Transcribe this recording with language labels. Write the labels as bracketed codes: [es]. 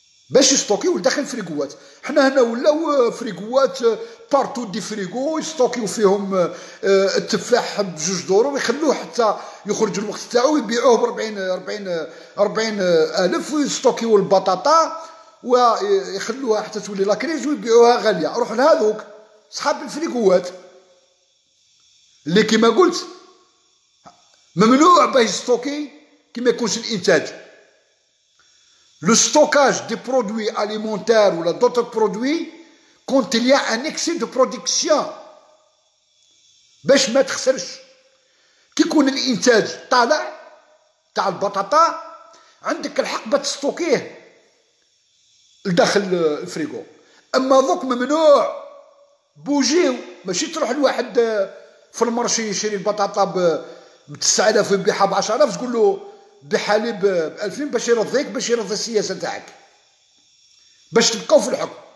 [ar] باش يستوكيو لداخل الفريكوات. حنا هنا ولاو فريكوات بارتو دي فريكو يستوكيو فيهم التفاح بجوج دور ويخلوه حتى يخرج الوقت تاعو ويبيعوه ب 40 ألف ويستوكيو البطاطا ويخلوها حتى تولي لاكريز ويبيعوها غالية. روح لهذوك صحاب الفريكوات اللي كيما قلت ممنوع باش يستوكي كيما يكونش الإنتاج. [fr] Le stockage des produits alimentaires ou d'autres produits quand il y a un excès de production. [ar] باش ما تخسرش. كي يكون الانتاج طالع تاع البطاطا عندك الحقبة تستوكيه لداخل الفريغو. اما ذوك ممنوع بوجيو ماشي تروح لواحد في المارشي يشري البطاطا ب 9000 ويبيعها ب 10000 تقول له بحالي ب 2000 باش يرضيك باش يرضي السياسه تاعك باش تبقاو في الحكم.